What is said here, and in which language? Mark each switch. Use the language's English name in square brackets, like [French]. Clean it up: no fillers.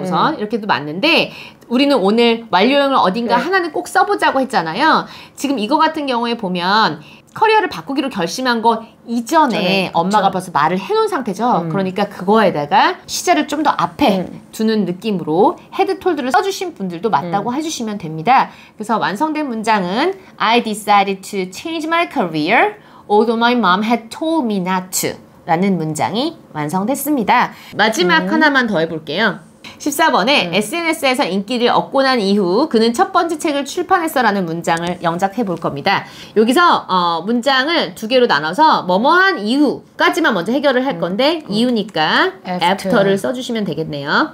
[Korean] 우선 이렇게도 맞는데 우리는 오늘 완료형을 어딘가 하나는 꼭 써보자고 했잖아요. 지금 이거 같은 경우에 보면 커리어를 바꾸기로 결심한 거 이전에 엄마가 그쵸. 벌써 말을 해놓은 상태죠. 그러니까 그거에다가 시제를 좀 더 앞에 두는 느낌으로 [English] head told [Korean] 를 써주신 분들도 맞다고 해주시면 됩니다. 그래서 완성된 문장은 [English] I decided to change my career although my mom had told me not to [Korean] 라는 문장이 완성됐습니다. 마지막 하나만 더 해볼게요. 14번에 SNS에서 인기를 얻고 난 이후 그는 첫 번째 책을 출판했어 라는 문장을 영작해 볼 겁니다. 여기서 문장을 두 개로 나눠서 뭐뭐한 이후까지만 먼저 해결을 할 건데 이유니까 after를 써주시면 되겠네요.